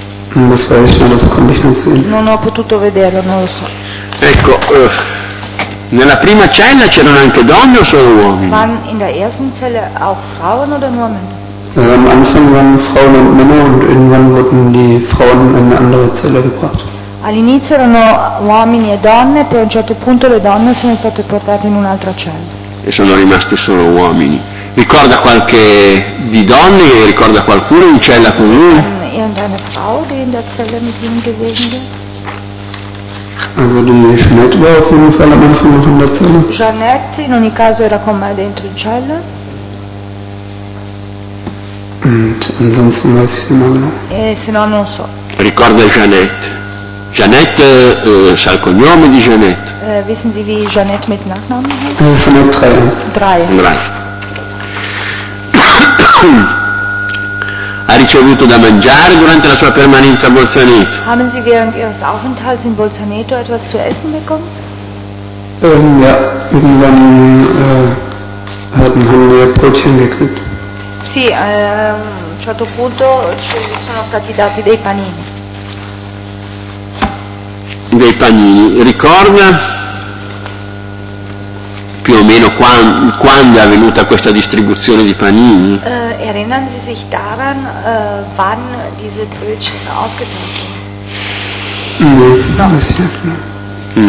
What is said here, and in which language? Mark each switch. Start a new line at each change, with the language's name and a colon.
Italian: Non ho potuto vederlo, non lo so. Ecco, nella prima cella c'erano anche donne o solo uomini?
German: Waren in der ersten Zelle auch Frauen oder nur Männer? Am Anfang waren Frauen und Männer und irgendwann wurden die Frauen in eine andere Zelle gebracht.
Italian: All'inizio erano uomini e donne, poi a un certo punto le donne sono state portate in un'altra cella. E sono rimaste solo uomini. Ricorda qualche di donne, ricorda qualcuno in cella con lui?
German: Irgendeine Frau, die in der Zelle mit ihm gewesen ist? Also die Jeanette war auf jeden Fall am Anfang noch in der Zelle.
Italian: Jeanette in ogni caso era con me dentro in cella.
German: ansonsten weiß ich nicht mehr.
Italian: Se no, non so. Ricorda Jeanette. Jeanette, sa il cognome di Jeanette.
German: Wissen Sie, wie Jeanette mit Nachnamen heißt? Jeanette Dreier. Drei.
Italian: Ha ricevuto da mangiare durante la sua permanenza a Bolzaneto?
German: Haben Sie während Ihres Aufenthalts in Bolzaneto etwas zu essen bekommen? Ja, irgendwann haben wir Brötchen gekriegt.
Italian: Sì, a un certo punto ci sono stati dati dei panini. Dei panini. Ricorda più o meno quando è avvenuta questa distribuzione di panini?
German: Erinnern Sie sich daran, wann diese Brötchen ausgeteilt wurden?